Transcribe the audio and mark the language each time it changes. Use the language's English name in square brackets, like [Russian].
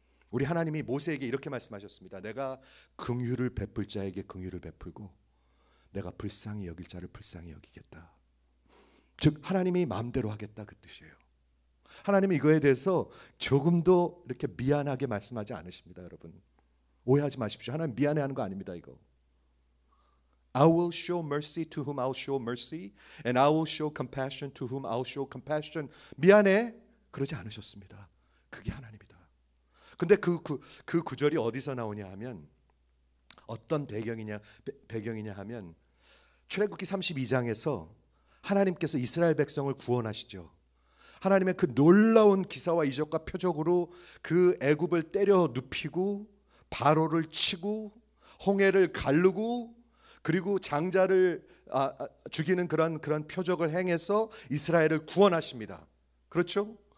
[Korean] 우리 하나님이 모세에게 이렇게 말씀하셨습니다. 내가 긍휼을 베풀 자에게 긍휼을 베풀고 내가 불쌍히 여길 자를 불쌍히 여기겠다. 즉 하나님이 마음대로 하겠다 그 뜻이에요. 하나님은 이거에 대해서 조금도 이렇게 미안하게 말씀하지 않으십니다. 여러분 오해하지 마십시오. 하나님 미안해하는 거 아닙니다. [English] 이거 I will show mercy to whom I'll show mercy and I will show compassion to whom I'll show compassion. [Korean] 미안해? 그러지 않으셨습니다. 그게 하나님이다. 근데 그 구절이 어디서 나오냐 하면 어떤 배경이냐 하면 출애굽기 32장에서 하나님께서 이스라엘 백성을 구원하시죠. 하나님의 그 놀라운 기사와 이적과 표적으로 그 애굽을 때려 눕히고 바로를 치고 홍해를 가르고 그리고 장자를 죽이는 그런 표적을 행해서 이스라엘을 구원하십니다. 그렇죠?